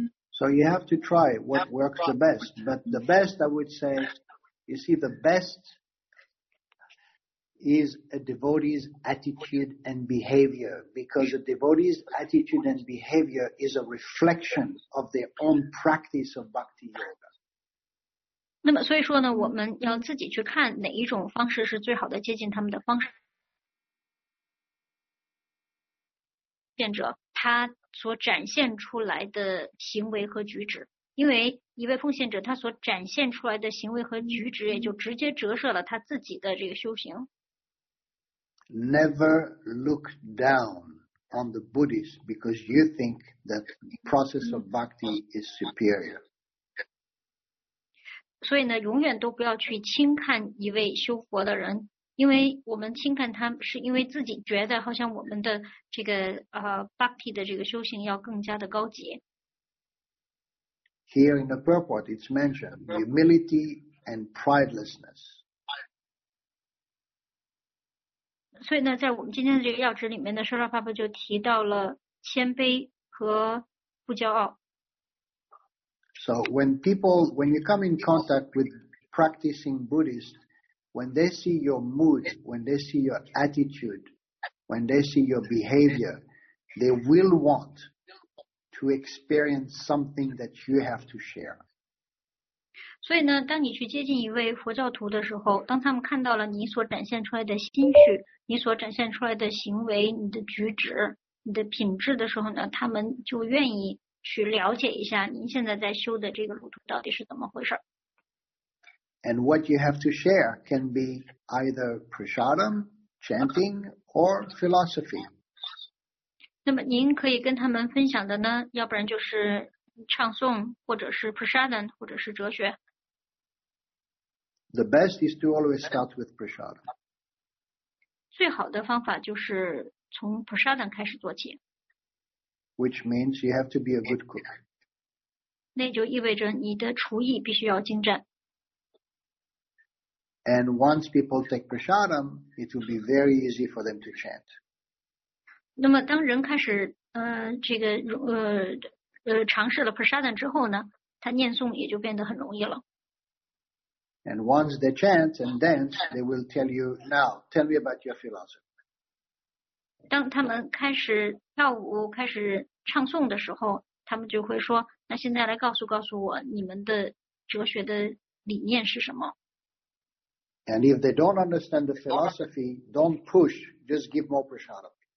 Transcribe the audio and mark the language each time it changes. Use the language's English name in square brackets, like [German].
[English] So you have to try what works the best, but the best I would say, you see, the best is a devotee's attitude and behavior, because a devotee's attitude and behavior is a reflection of their own practice of bhakti yoga. [Chinese] 那么所以说呢，我们要自己去看哪一种方式是最好的接近他们的方式，见者他所展现出来的行为和举止，因为一位奉献者他所展现出来的行为和举止也就直接折射了他自己的这个修行。 [English] Never look down on the Buddhists because you think that the process of bhakti is superior. [Chinese] 所以呢，永远都不要去轻看一位修佛的人。因为我们轻看他是因为自己觉得好像我们的这个Bhakti 的这个修行要更加的高级。 [English] Here in the purport it's mentioned humility and pridelessness. [Chinese] 所以呢，在我们今天的这个要旨里面呢，舍拉帕帕就提到了谦卑和不骄傲。 [English] So when you come in contact with practicing Buddhists,When they see your mood, when they see your attitude, when they see your behavior, they will want to experience something that you have to share. [Chinese] 所以呢，当你去接近一位佛教徒的时候，当他们看到了你所展现出来的心绪，你所展现出来的行为，你的举止，你的品质的时候呢，他们就愿意去了解一下您现在在修的这个路途到底是怎么回事。 [English] And what you have to share can be either prasadam, chanting, or philosophy. [Chinese] 那么您可以跟他们分享的呢，要不然就是唱诵，或者是 prasadam, 或者是哲学。 [English] The best is to always start with prasadam. [Chinese] 最好的方法就是从 prasadam 开始做起。 [English] Which means you have to be a good cook. [Chinese] 那就意味着你的厨艺必须要精湛。 [English] And once people take prasadam, it will be very easy for them to chant. [Chinese] 那么当人开始尝试了 prasadam 之后呢，他念诵也就变得很容易了。 [English] And once they chant and dance, they will tell you, now, tell me about your philosophy. [Chinese] 当他们开始跳舞，开始唱诵的时候，他们就会说，那现在来告诉我你们的哲学的理念是什么。 [English] And if they don't understand the philosophy, don't push, just give more prasadam.